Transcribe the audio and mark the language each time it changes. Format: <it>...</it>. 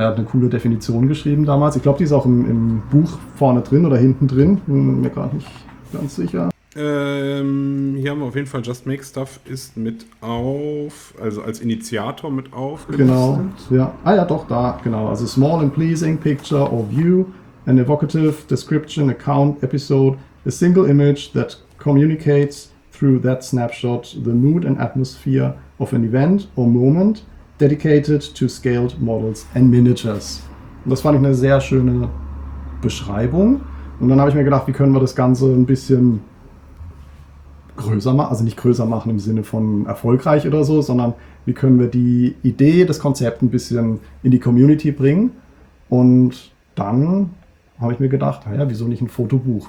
<de>Er hat eine coole Definition geschrieben damals. Ich glaube, die ist auch im Buch vorne drin oder hinten drin. Bin mir gerade nicht ganz sicher. Hier haben wir auf jeden Fall Just Make Stuff ist mit auf, also als Initiator mit auf. Genau. Ja. Ah ja, doch, da, genau. Also</de> <en>Small and Pleasing Picture or View. An evocative description, account, episode, a single image that communicates through that snapshot the mood and atmosphere of an event or moment dedicated to scaled models and miniatures.</en> <de>Und das fand ich eine sehr schöne Beschreibung. Und dann habe ich mir gedacht, wie können wir das Ganze ein bisschen größer machen, also nicht größer machen im Sinne von erfolgreich oder so, sondern wie können wir die Idee, das Konzept ein bisschen in die Community bringen und dann habe ich mir gedacht, naja, wieso nicht ein Fotobuch?</de>